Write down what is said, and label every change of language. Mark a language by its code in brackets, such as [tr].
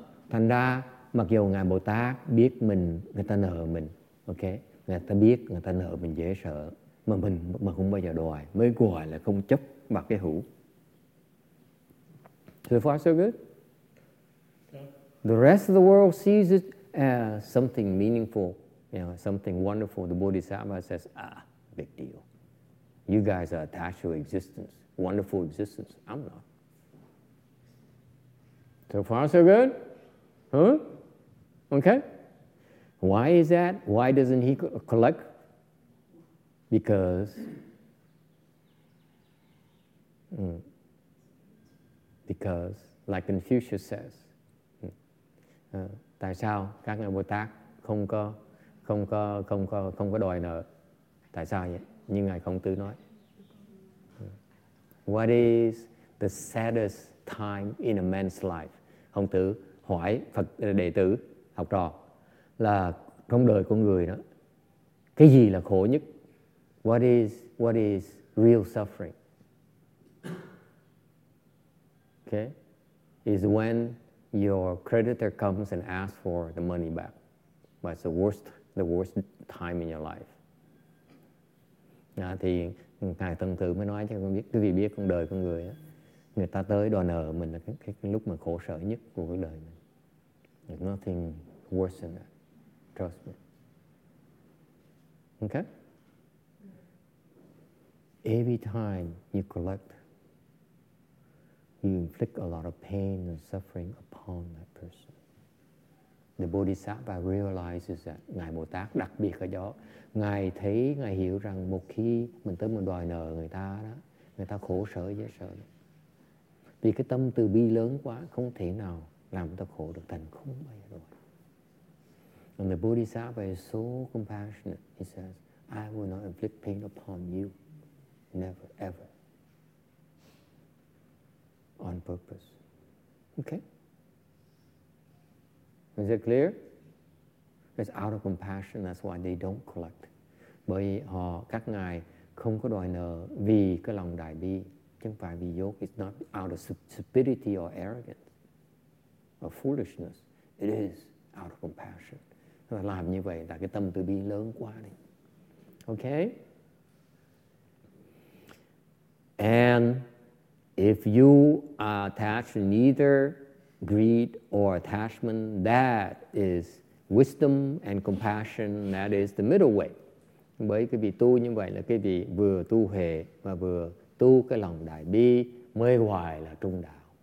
[vi] Thành ra, mặc dù Ngài Bồ Tát biết mình, người ta nợ mình, okay? Người ta biết người ta nợ mình dễ sợ, mà mình mà không bao giờ đòi, mới gọi là không chấp mặc cái hữu. [en] So far so good? The rest of the world sees it as something meaningful, you know, something wonderful. The Bodhisattva says, ah, big deal. You guys are attached to existence, wonderful existence. I'm not. So far, so good? Huh? Okay. Why is that? Why doesn't he collect? Because, like Confucius says, [vi] tại sao các ngài Bồ Tát không có đòi nợ? Tại sao vậy? Như ngài Khổng Tử nói. [en] What is the saddest time in a man's life? [vi] Khổng Tử hỏi Phật đệ tử học trò là trong đời con người đó cái gì là khổ nhất? [en] What is real suffering? Okay? Is when your creditor comes and asks for the money back. But it's the worst time in your life. [vi] À, thì Ngài Tân Tử mới nói cho con biết, quý vị biết con đời con người á, người ta tới đòi nợ mình là cái lúc mà khổ sở nhất của cái đời mình. [en] There's nothing worse than that. Trust me. Okay? Every time you collect, you inflict a lot of pain and suffering on that person. The Bodhisattva realizes that. [vi] Ngài Bồ Tát đặc biệt ở đó, Ngài thấy, Ngài hiểu rằng một khi mình tới mình đòi nợ người ta đó, người ta khổ sở dễ sợ. Vì cái tâm từ bi lớn quá, không thể nào làm người ta khổ được, thành không bao giờ đòi. [en] And the Bodhisattva is so compassionate. He says, I will not inflict pain upon you. Never, ever. On purpose. Okay? Is it clear? It's out of compassion. That's why they don't collect. [vi] Bởi họ, các ngài không có đòi nợ vì cái lòng đại bi, chứ không phải vì dốt. [en] It's not out of stupidity or arrogance or foolishness. It is out of compassion. [vi] Làm như vậy là cái tâm từ bi lớn quá đi. [en] Okay? And if you are attached to neither greed or attachment, that is wisdom and compassion, that is the middle way. [vi] Bởi cái vị tu như vậy là cái vị vừa tu huệ và vừa tu cái lòng đại bi mới gọi là trung đạo.